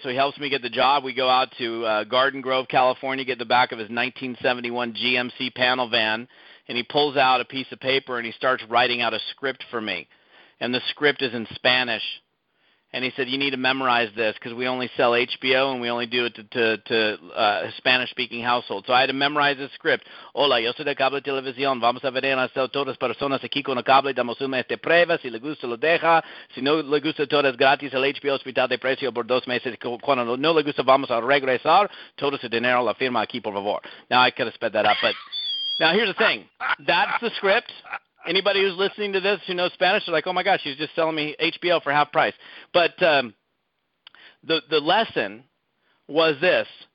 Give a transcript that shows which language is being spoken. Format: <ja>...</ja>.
<en>So he helps me get the job. We go out to Garden Grove, California, get the back of his 1971 GMC panel van, and he pulls out a piece of paper, and he starts writing out a script for me. And the script is in Spanish. And he said, you need to memorize this because we only sell HBO and we only do it to Spanish-speaking households. So I had to memorize the script.</en> <es>Hola, yo soy de cable televisión. Vamos a ver en hacer todas personas aquí con el cable. Damos una este prueba. Si le gusta, lo deja. Si no le gusta, todo es gratis. El HBO hospital de precio por 2 meses. Cuando no le gusta, vamos a regresar. Todo su dinero la firma aquí, por favor.</es> <en>Now, I could have sped that up. But now, here's the thing. That's the script. Anybody who's listening to this who knows Spanish are like, oh, my gosh, he's just selling me HBO for half price. But the lesson was this.</en>